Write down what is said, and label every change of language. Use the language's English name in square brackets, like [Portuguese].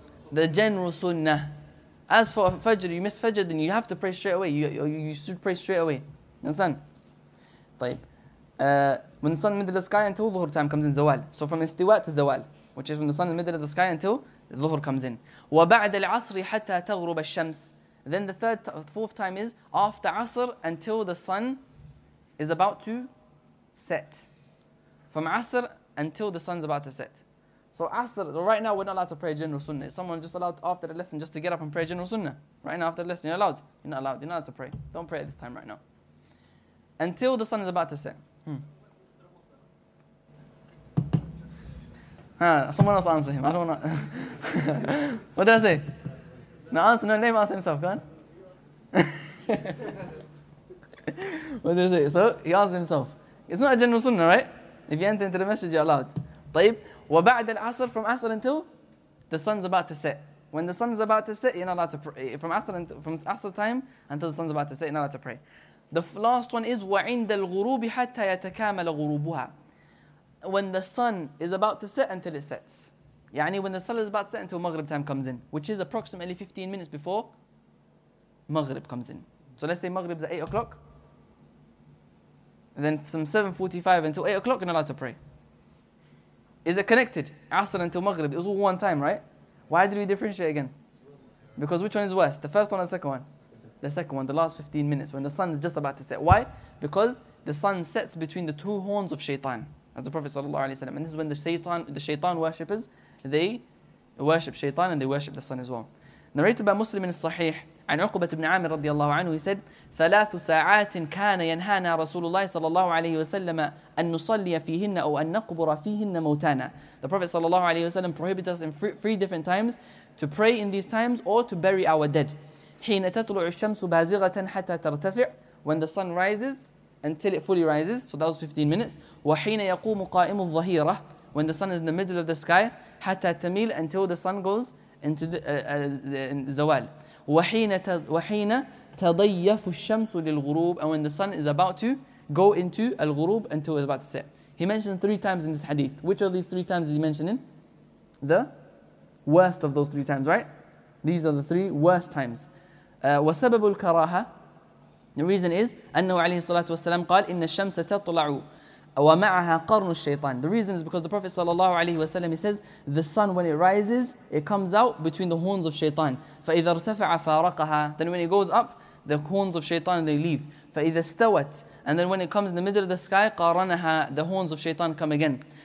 [English] The general sunnah. As for Fajr, you miss Fajr, then you have to pray straight away. You should pray straight away. You understand? When the sun middle of the sky until Dhuhr time comes in Zawal. So from Istiwa to Zawal, which is when the sun in the middle of the sky until Dhuhr comes in. [Arabic] وبعد العصر حتى تغرب الشمس. [English] Then the third, fourth time is after Asr until the sun is about to set. From Asr until the sun's about to set. So Asr, right now we're not allowed to pray general sunnah. Is someone just allowed after the lesson just to get up and pray general sunnah? Right now after the lesson, you're allowed. You're not allowed. You're not allowed to pray. Don't pray at this time right now. Until the sun is about to set. Someone else answer him. I don't know. What did I say? No, answer. No, let him answer himself. Go on. What did I say? So he asked himself. It's not a general sunnah, right? If you enter into the masjid, you're allowed. [Arabic] طيب. وبعد العصر, [English] from Asr until the sun's about to set. When the sun's about to set, you're not allowed to pray. From Asr time until the sun's about to set, you're not allowed to pray. The last one is [Arabic] وعند الغروب حتى يتكامل غروبها. [English] When the sun is about to set until it sets. [Arabic] يعني [English] when the sun is about to set until Maghrib time comes in, which is approximately 15 minutes before Maghrib comes in. So let's say Maghrib's at 8 o'clock. And then from 7:45 until 8 o'clock, you're not allowed to pray. Is it connected? Asr until Maghrib. It was all one time, right? Why did we differentiate again? Because which one is worse? The first one or the second one? The second one, the last 15 minutes when the sun is just about to set. Why? Because the sun sets between the two horns of shaitan. As the Prophet sallallahu alayhi wa sallam. And this is when the shaitan worshippers, they worship shaitan and they worship the sun as well. Narrated by Muslim in Sahih, [Arabic] عن عقبة بن عامر رضي الله عنه, [English] he said, [Arabic] ثلاث ساعات كان ينهانا رسول الله صلى الله عليه وسلم أن نصلي فيهن أو أن نقبر فيهن موتانا. [English] The Prophet صلى الله عليه وسلم prohibited us in three different times to pray in these times or to bury our dead. [Arabic] حين تطلع الشمس بازغة حتى ترتفع, [English] when the sun rises until it fully rises, so that was 15 minutes. [Arabic] وحين يقوم قائم الظهيرة, [English] when the sun is in the middle of the sky, [Arabic] حتى تميل, [English] until the sun goes into [Arabic] الزوال. وحين تضيف الشمس للغروب, [English] and when the sun is about to go into [Arabic] الغروب [English] until it's about to set. He mentioned three times in this hadith. Which of these three times is he mentioning? The worst of those three times, right? These are the three worst times. [Arabic] وسبب الكراهة, [English] the reason is [Arabic] أنه عليه الصلاة والسلام قال إن الشمس تطلع ومعها قرن الشيطان. [English] The reason is because the Prophet صلى الله عليه وسلم, he says, the sun when it rises, it comes out between the horns of shaitan. [Arabic] فإذا ارتفع فارقها, [English] then when it goes up, the horns of shaitan, they leave. [Arabic] فإذا استوت, [English] and then when it comes in the middle of the sky, [Arabic] قارنها, [English] the horns of shaitan come again.